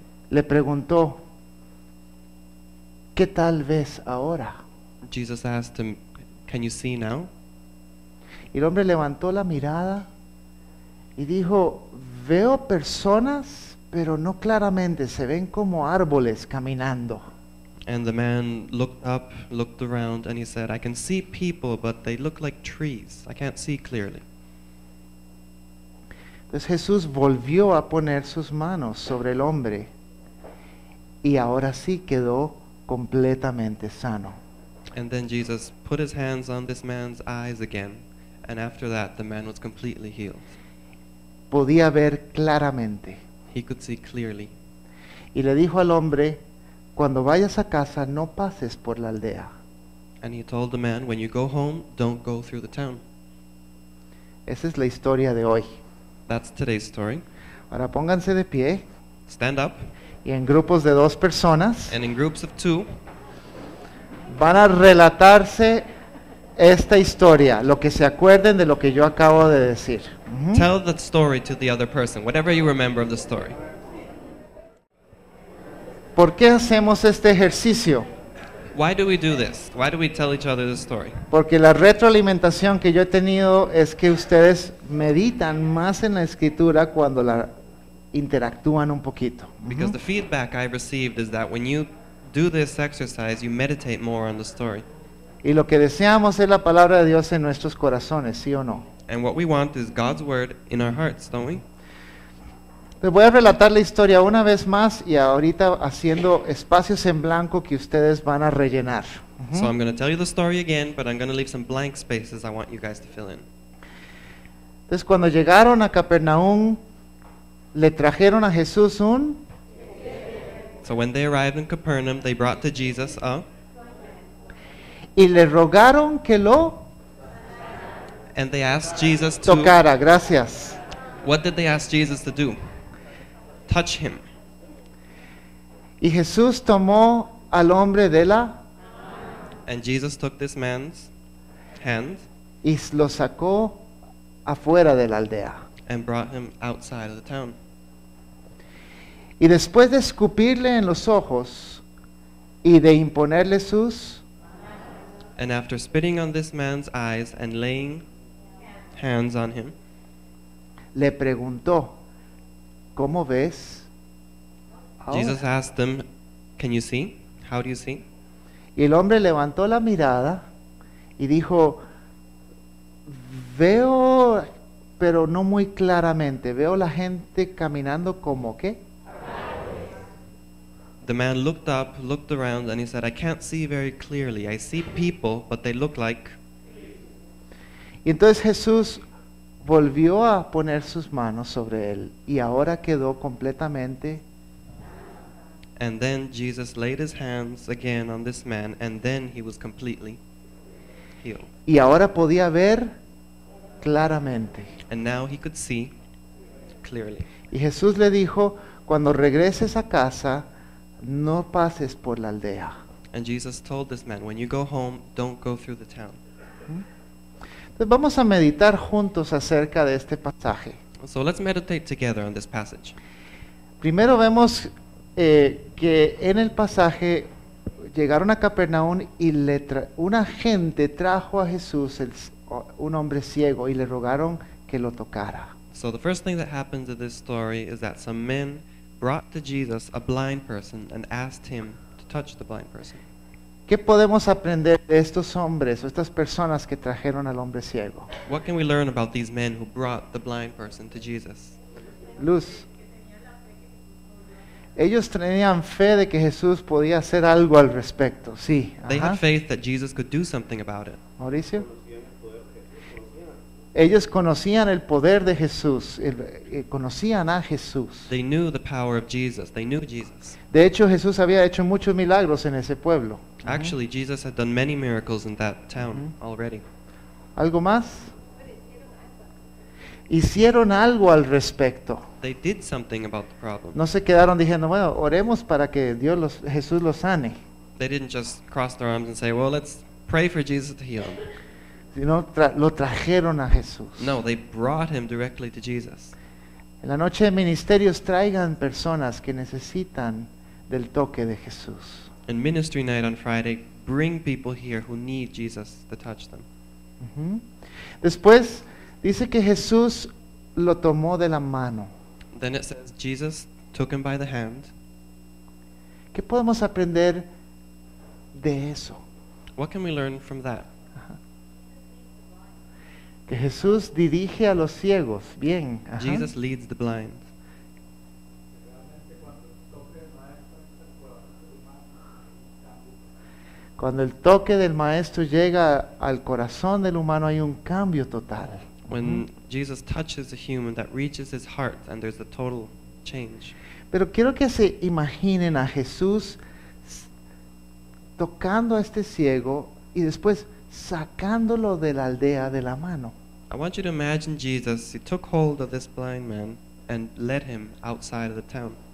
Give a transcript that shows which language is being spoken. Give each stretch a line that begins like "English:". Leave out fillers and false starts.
Spanish: le preguntó, ¿qué tal ves ahora?
English: Jesus asked him, can you see now?
Spanish: Y el hombre levantó la mirada y dijo, veo personas, pero no claramente, se ven como árboles caminando.
English: And the man looked up, looked around, and he said, I can see people, but they look like trees. I can't see clearly.
Spanish: Entonces Jesús volvió a poner sus manos sobre el hombre, y ahora sí quedó completamente sano.
English: And then Jesus put his hands on this man's eyes again, and after that the man was completely healed.
Spanish: Podía ver claramente.
English: He could see clearly.
Spanish: Y le dijo al hombre, cuando vayas a casa, no pases por la aldea.
English: And he told the man, when you go home, don't go through the town.
Spanish: Esa es la historia de hoy.
English: That's today's story.
Spanish: Ahora pónganse de pie.
English: Stand up.
Spanish: Y en grupos de dos personas.
English: And in groups of two.
Spanish: Van a relatarse esta historia, lo que se acuerden de lo que yo acabo de decir.
English: Tell the story to the other person, whatever you remember of the story.
Spanish: ¿Por qué hacemos este ejercicio?
English: Why do we do this? Why do we tell each other the story?
Spanish: Porque la retroalimentación que yo he tenido es que ustedes meditan más en la escritura cuando la interactúan un poquito.
English: Because the feedback I've received is that when you do this exercise, you meditate more on the story.
Spanish: Y lo que deseamos es la palabra de Dios en nuestros corazones, ¿sí o no?
English: And what we want is God's word in our hearts, don't we?
Spanish: Les voy a relatar la historia una vez más y ahorita haciendo espacios en blanco que ustedes van a rellenar.
English: So I'm going to tell you the story again, but I'm going to leave some blank spaces I want you guys to fill in.
Spanish: Entonces cuando llegaron a Capernaum, le trajeron a Jesús un...
English: So when they arrived in Capernaum, they brought to Jesus a...
Spanish: Y le rogaron que lo...
English: And they asked Jesus to...
Spanish: Tocara, gracias.
English: What did they ask Jesus to do? Touch him.
Spanish: Y Jesús tomó al hombre de la...
English: And Jesus took this man's hand.
Spanish: Y lo sacó afuera de la aldea.
English: And brought him outside of the town.
Spanish: Y después de escupirle en los ojos y de imponerle sus...
English: And after spitting on this man's eyes and laying hands on him,
Spanish: le preguntó, ¿cómo ves?
English: Jesus asked them, can you see? How do you see?
Spanish: Y el hombre levantó la mirada y dijo, veo, pero no muy claramente, veo la gente caminando como qué.
English: The man looked up, looked around, and he said, I can't see very clearly. I see people, but they look like...
Spanish: Y entonces Jesús volvió a poner sus manos sobre él, y ahora quedó completamente...
English: And then Jesus laid his hands again on this man, and then he was completely healed.
Spanish: Y ahora podía ver claramente.
English: And now he could see clearly.
Spanish: Y Jesús le dijo, cuando regreses a casa... No pases por la aldea.
English: And Jesus told this man, when you go home, don't go through the town.
Spanish: Entonces vamos a meditar juntos acerca de este pasaje.
English: So let's meditate together on this passage.
Spanish: Primero vemos que en el pasaje llegaron a Capernaum y una gente trajo a Jesús, un hombre ciego, y le rogaron que lo tocara.
English: So the first thing that happens in this story is that some men brought to Jesus a blind person and asked him to touch the blind person.
Spanish: ¿Qué podemos aprender de estos hombres o estas personas que trajeron al hombre ciego?
English: What can we learn about these men who brought the blind person to Jesus?
Spanish: Luz. Ellos tenían fe de que Jesús podía hacer algo al respecto. Sí.
English: They had faith that Jesus could do something about it.
Spanish: Mauricio. Ellos conocían el poder de Jesús, conocían a Jesús.
English: They knew the power of Jesus. They knew Jesus.
Spanish: De hecho, Jesús había hecho muchos milagros en ese pueblo.
English: Actually, Jesus had done many miracles in that town already.
Spanish: ¿Algo más? Hicieron algo al respecto.
English: They did something about the problem.
Spanish: No se quedaron diciendo, bueno, oremos para que Dios los Jesús los sane.
English: They didn't just cross their arms and say, well, let's pray for Jesus to heal them.
Spanish: lo trajeron a Jesús.
English: No, they brought him directly to Jesus.
Spanish: En la noche de ministerios, traigan personas que necesitan del toque de Jesús.
English: In ministry night on Friday, bring people here who need Jesus to touch them. Mm-hmm.
Spanish: Después dice que Jesús lo tomó de la mano.
English: Then it says Jesus took him by the hand.
Spanish: ¿Qué podemos aprender de eso?
English: What can we learn from that?
Spanish: Que Jesús dirige a los ciegos. Bien.
English: Ajá. Jesus leads the blind.
Spanish: Cuando el toque del maestro llega al corazón del humano, hay un cambio total.
English: When Jesus touches a human, that reaches his heart and there's a total change.
Spanish: Pero quiero que se imaginen a Jesús tocando a este ciego y después sacándolo de la aldea de la mano.
English: I want you to imagine Jesus, he took hold of this blind man and led him outside of the town.